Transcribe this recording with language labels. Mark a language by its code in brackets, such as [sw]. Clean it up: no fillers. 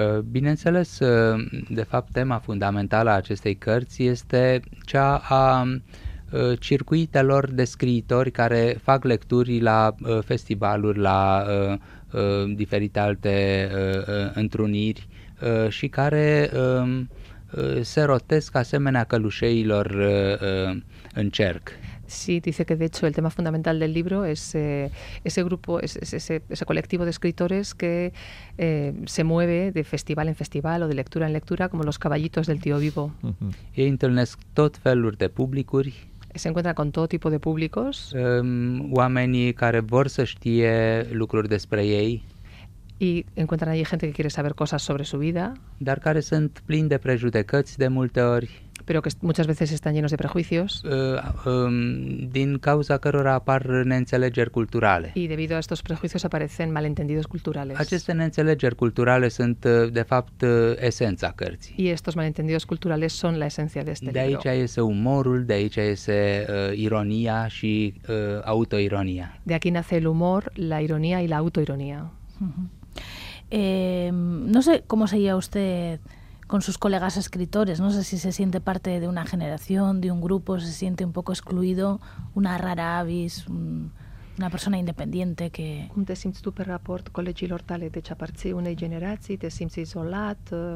[ro] Bineînțeles, de fapt, tema fundamentală a acestei cărți este cea a circuitelor de scriitori care fac lecturi la festivaluri, la diferite alte întruniri și care se rotesc asemenea călușeilor în cerc. [es] Sí, dice que de hecho el tema fundamental del libro es ese grupo, ese colectivo de escritores que se mueve de festival en festival o de lectura en lectura como los caballitos del tío Vivo. [ro] Y întâlnesc tot feluri de publicuri. [es] Se encuentra con todo tipo de públicos. [ro] Oamenii care vor să știe lucruri despre ei. [es] Y encuentran allí gente que quiere saber cosas sobre su vida. [ro] Dar care sunt plin de prejudecăți de multe ori. [es] Pero que muchas veces están llenos de prejuicios. [ro] Din cauza cărora apar neînțelegeri culturale. [es] Y debido a estos prejuicios aparecen malentendidos culturales. [ro] Aceste neînțelegeri culturale sunt, de fapt, esența cărții. [es] Y estos malentendidos culturales son la esencia de este libro. [ro] De aici iese umorul, de aici iese ironia și autoironia. [es] De aquí nace el humor, la ironía y la autoironía. Uh-huh. No sé cómo sería usted con sus colegas escritores, no sé si se siente parte de una generación, de un grupo, se siente un poco excluido, una rara avis, una persona independiente que... ¿Cómo te sientes tú [ro] per raport colegilor tale? Deci aparții unei generații, te simți izolat?